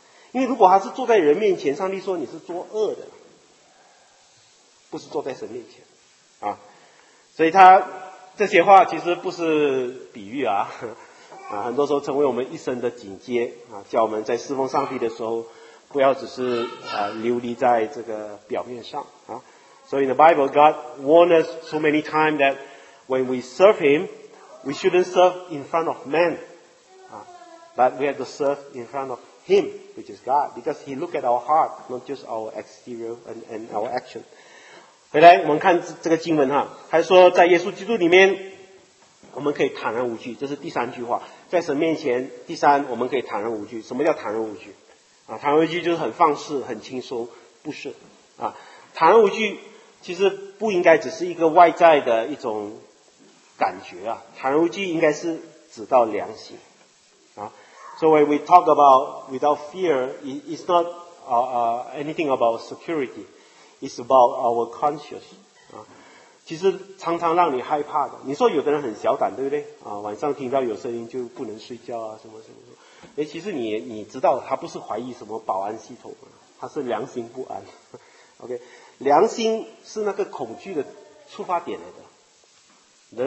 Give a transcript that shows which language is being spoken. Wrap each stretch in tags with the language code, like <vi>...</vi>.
<zh>因为如果他是坐在人面前，上帝说你是作恶的，不是坐在神面前啊。所以他这些话其实不是比喻啊，很多时候成为我们一生的警戒啊，叫我们在侍奉上帝的时候不要只是流离在这个表面上啊。</zh> <en>So in the Bible, God warned us so many times that when we serve Him,We shouldn't serve in front of men, but we have to serve in front of Him, which is God, because He looks at our heart, not just our exterior and our action.</en> <zh>回来，我们看这个经文哈，还说在耶稣基督里面，我们可以坦然无惧，这是第三句话。在神面前，第三，我们可以坦然无惧。什么叫坦然无惧？啊，坦然无惧就是很放肆、很轻松，不是？啊，坦然无惧其实不应该只是一个外在的一种感觉啊，坦然无惧应该是指到良心啊。</zh> <en>So when we talk about without fear, it's not anything about security, it's about our conscience.</en> <zh>其实常常让你害怕的，你说有的人很小胆，对不对？啊，晚上听到有声音就不能睡觉啊，什么什么什么。哎，其实你知道，他不是怀疑什么保安系统，他是良心不安。 OK， 良心是那个恐惧的出发点来的。</zh>